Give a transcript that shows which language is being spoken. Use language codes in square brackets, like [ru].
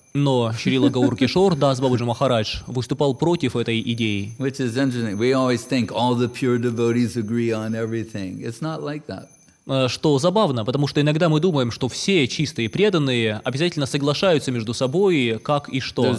[ru] Но Шрила Гаур Кишор Дас Бабаджи Махарадж выступал против этой идеи. [en] Which is interesting. We always think all the pure devotees agree on everything. It's not like that. [ru] Что забавно, потому что иногда мы думаем, что все чистые преданные обязательно соглашаются между собой, как и что.